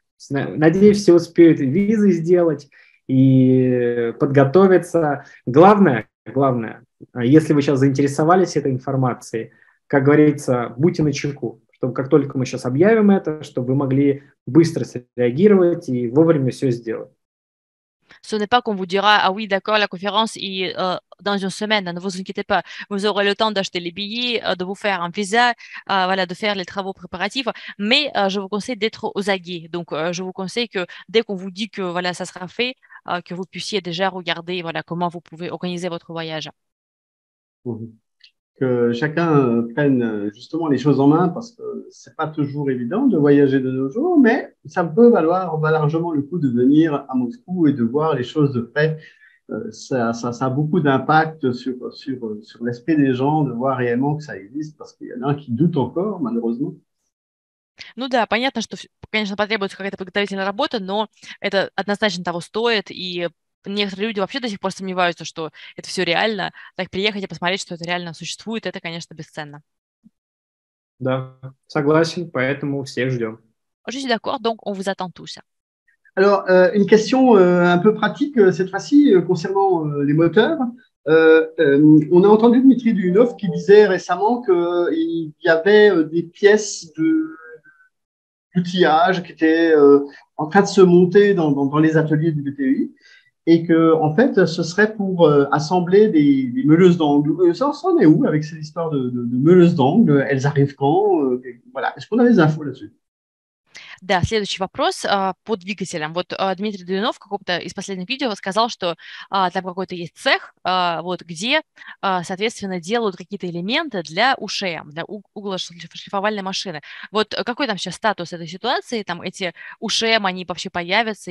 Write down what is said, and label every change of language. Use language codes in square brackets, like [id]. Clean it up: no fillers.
[ru] Надеюсь, все успеют визы сделать и подготовиться. Главное, если вы сейчас заинтересовались этой информацией, как говорится, будьте начеку, чтобы как только мы сейчас объявим это, чтобы вы могли быстро среагировать и вовремя все сделать. [fr] Ce n'est pas qu'on vous dira « Ah oui, d'accord, la conférence est dans une semaine, ne vous inquiétez pas, vous aurez le temps d'acheter les billets, de vous faire un visa, voilà, de faire les travaux préparatifs, mais je vous conseille d'être aux aguets. » Donc, je vous conseille que dès qu'on vous dit que voilà, ça sera fait, que vous puissiez déjà regarder voilà, comment vous pouvez organiser votre voyage. Que chacun prenne justement les choses en main, parce que ce n'est pas toujours évident de voyager de nos jours, mais ça peut valoir largement le coup de venir à Moscou et de voir les choses de près. Ça a beaucoup d'impact sur l'esprit des gens, de voir réellement que ça existe, parce qu'il y en a un qui doute encore, malheureusement. [ru] Ну да, понятно, что, конечно, потребуется какая-то подготовительная работа, но это однозначно того стоит, и некоторые люди вообще до сих пор сомневаются, что это все реально. Так приехать и посмотреть, что это реально существует, это, конечно, бесценно. Да, согласен, поэтому всех ждем. [fr] Je suis d'accord, donc on vous attend tous. Alors, une question un peu pratique cette fois-ci concernant les moteurs. On a entendu Dmitri Duhunov qui disait récemment qu'il y avait des pièces d'outillage qui étaient en train de se monter dans les ateliers du BTI. Et que, en fait, ce serait pour assembler des meuleuses d'angle. Ça en est où avec cette histoire de meuleuses d'angle? Elles arrivent quand? Voilà. Est-ce qu'on a des infos là-dessus? [ru] Да, следующий вопрос по двигателям. Вот Дмитрий Дуйнов в каком-то из последних видео сказал, что там какой-то есть цех, вот, где, соответственно, делают какие-то элементы для ушей, для углошлифовальной машины. Вот какой там сейчас статус этой ситуации? Там эти ушей, они вообще появятся?